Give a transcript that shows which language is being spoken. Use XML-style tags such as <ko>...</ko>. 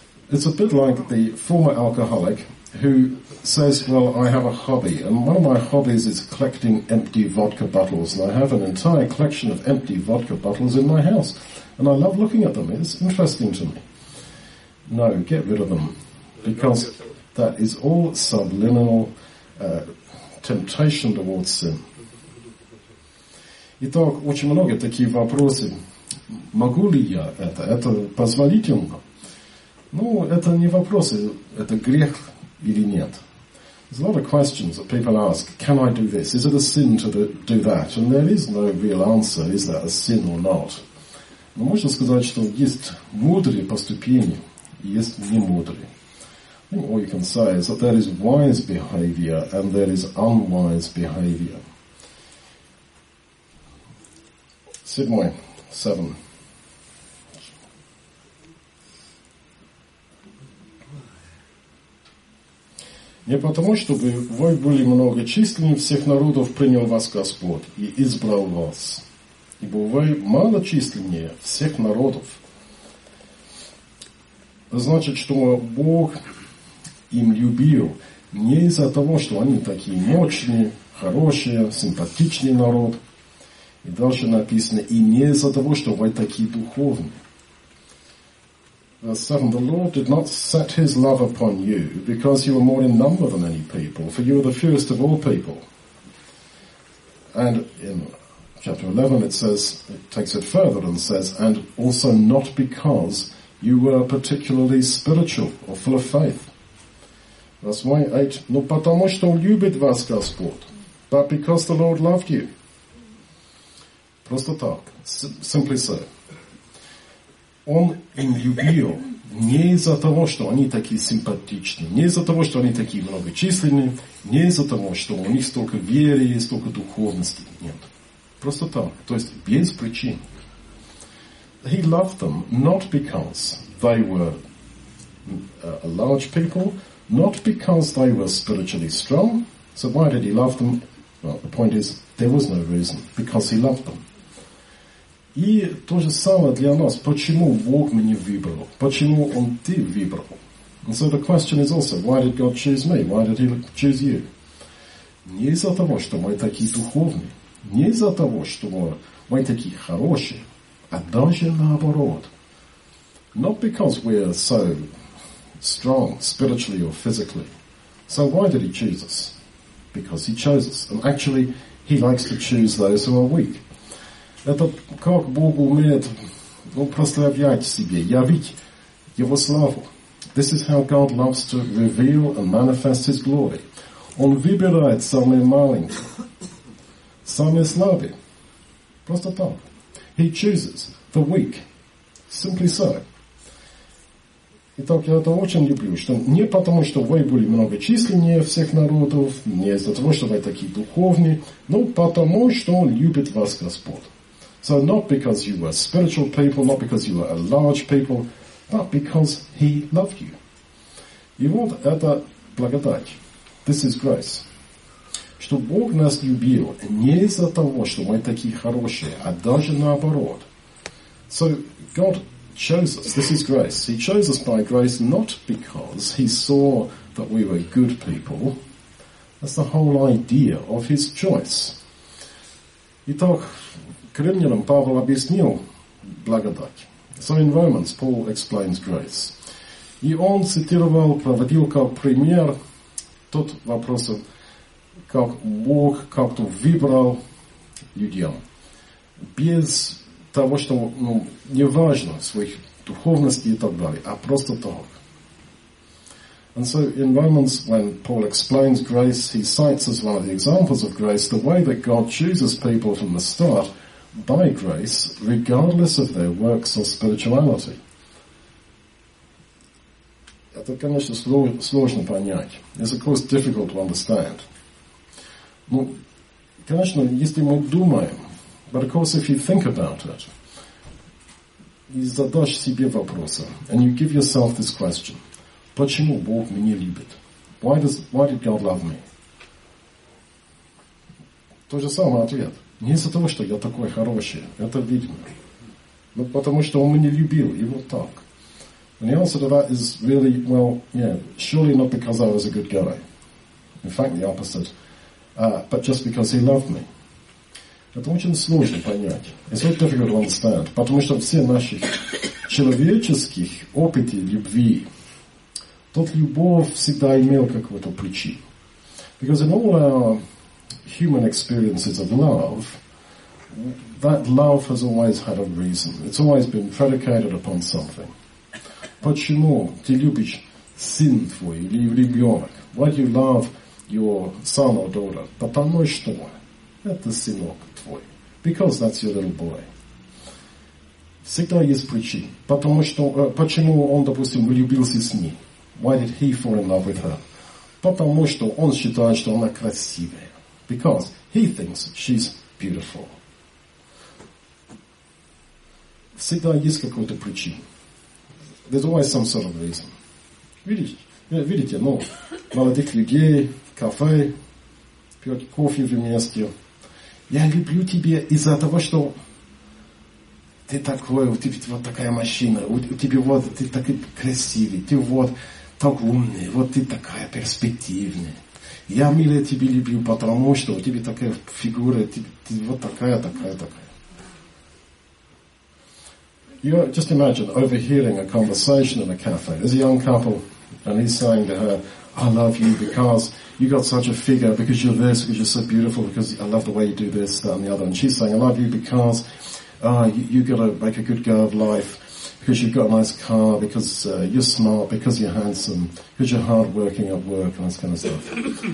<en>It's a bit like the former alcoholic who says, well, I have a hobby, and one of my hobbies is collecting empty vodka bottles, and I have an entire collection of empty vodka bottles in my house, and I love looking at them. It's interesting to me. No, get rid of them, because that is all subliminal temptation towards sin.</en> <ru>Итак, очень много таких вопросов. Могу ли я это? Это позволительно? Ну, это не вопрос, это грех или нет.</ru> <en>There's a lot of questions that people ask. Can I do this? Is it a sin to do that? And there is no real answer. Is that a sin or not?</en> <ru>Но можно сказать, что есть мудрые поступления и есть немудрые.</ru> <en>I think all you can say is that there is wise behavior and there is unwise behavior.</en> <ru>Седьмой.</ru> <en>Seven.</en> <ru>не потому, чтобы вы были многочисленнее всех народов, принял вас Господь и избрал вас, ибо вы малочисленнее всех народов. Значит, что Бог им любил не из-за того, что они такие мощные, хорошие, симпатичные народ. И дальше написано, и не из-за того, что вы такие духовные.</ru> <en>Verse 7, the Lord did not set his love upon you, because you were more in number than any people, for you were the fewest of all people. And in chapter 11 it says, it takes it further and says, and also not because you were particularly spiritual or full of faith. Verse 8,</en> <ru>но потому что любит вас Господь,</ru> <en>but because the Lord loved you.</en> <ru>Просто так,</ru> <en>simply so.</en> <ru>Он им любил не из-за того, что они такие симпатичные, не из-за того, что они такие многочисленные, не из-за того, что у них столько веры и столько духовности. Нет. Просто так. То есть без причин.</ru> <en>He loved them not because they were a large people, not because they were spiritually strong. So why did he love them? Well, the point is, there was no reason. Because he loved them.</en> <ru>И то же самое для нас. Почему Бог меня выбрал? Почему Он ты выбрал?</ru> <en>And so the question is also, why did God choose me? Why did He choose you?</en> <ru>Не из-за того, что мы такие духовные. Не из-за того, что мы такие хорошие. А даже наоборот.</ru> <en>Not because we are so strong, spiritually or physically. So why did He choose us? Because He chose us. And actually, He likes to choose those who are weak.</en> <ru>Это как Бог умеет, ну, прославлять себе, явить Его славу.</ru> <en>This is how God loves to reveal and manifest His glory.</en> <ru>Он выбирает самые маленькие, самые слабые. Просто так.</ru> <en>He chooses the weak. Simply so.</en> <ru>Итак, я это очень люблю, что не потому, что вы были многочисленнее всех народов, не из-за того, что вы такие духовные, но потому, что Он любит вас, Господь.</ru> <en>So not because you were spiritual people, not because you were a large people, but because He loved you.</en> <ru>И вот это благодать.</ru> <en>This is grace.</en> <ru>Что Бог нас любил не из-за того, что мы такие хорошие, а даже наоборот.</ru> <en>So God chose us. This is grace. He chose us by grace not because He saw that we were good people. That's the whole idea of His choice.</en> <ru>Итак, Коринфянам Павел объяснил благодать.</ru> <en>So in Romans, Paul explains grace.</en> <ru>И он цитировал, проводил как пример тот вопрос, как Бог как-то выбрал людям. Без того, что, ну, не важно своих духовностей и так далее, а просто так.</ru> <en>And so in Romans, when Paul explains grace, he cites as one of the examples of grace, the way that God chooses people from the start, by grace, regardless of their works or spirituality.</en> <ru>Это, конечно, сложно понять.</ru> <en>It's, of course, difficult to understand.</en> <ru>Ну, конечно, если мы думаем,</ru> <en>but of course, if you think about it,</en> <ru>и задашь себе вопросы,</ru> <en>and you give yourself this question,</en> <ru>почему Бог меня любит?</ru> <en>Why did God love me?</en> <ru>То же самое ответ. Не из-за того, что я такой хороший. Это видно. Но потому, что Он меня любил. И вот так.</ru> <en>And the answer to that is really, well, yeah, surely not because I was a good guy. In fact, the opposite. But just because He loved me.</en> <ru>Это очень сложно понять.</ru> <en>It's very difficult to understand.</en> <ru>Потому что все наши человеческих опыты любви, тот любовь всегда имел какую-то причину.</ru> <en>Because in all our human experiences of love, that love has always had a reason. It's always been predicated upon something.</en> <ru>Почему ты любишь сын твой или ребенок?</ru> <en>Why do you love your son or daughter?</en> <ru>Потому что это сынок твой.</ru> <en>Because that's your little boy.</en> <ru>Всегда есть причина. Потому что, почему он, допустим, влюбился с ней?</ru> <en>Why did he fall in love with her?</en> <ru>Потому что он считает, что она красивая.</ru> <en>Because he thinks she's beautiful.</en> <ru>Всегда есть какая-то причина.</ru> <en>There's always some sort of reason.</en> <ru>Видишь? Видите, ну, молодых людей, кафе, пьете кофе вместе. Я люблю тебя из-за того, что ты такой, у тебя вот такая машина, у тебя вот, ты такой красивый, ты вот так умный, вот ты такая перспективная. Я, милый, тебя люблю, потому что у тебя такая фигура, ты вот такая, такая, такая.</ru> <en>You just imagine overhearing a conversation in a cafe. There's a young couple, and he's saying to her, I love you because you got such a figure, because you're this, because you're so beautiful, because I love the way you do this, that, and the other. And she's saying, I love you because you've got to make a good go of life, because you've got a nice car, because you're smart, because you're handsome, because you're hardworking at work, and this kind of stuff.</en>